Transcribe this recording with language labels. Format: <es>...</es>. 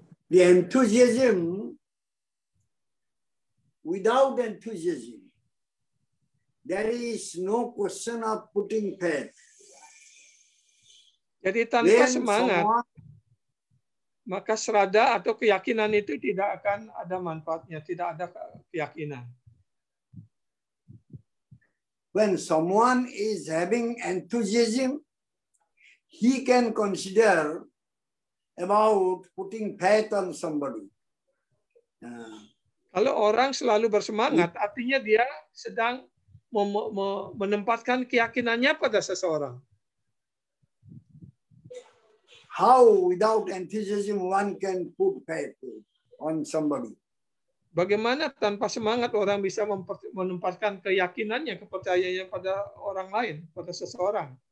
<en>The enthusiasm, without enthusiasm, there is no question of putting faith.</en> <id>Jadi tanpa when semangat, maka serada atau keyakinan itu tidak akan ada manfaatnya, tidak ada keyakinan.</id> <en>When someone is having enthusiasm, he can consider about putting faith on somebody.</en> <id>Kalau orang selalu bersemangat, artinya dia sedang menempatkan keyakinannya pada seseorang.</id> <en>How without enthusiasm one can put faith on somebody?</en> <id>Bagaimana tanpa semangat orang bisa menempatkan keyakinannya, kepercayaannya pada orang lain, pada seseorang?</id>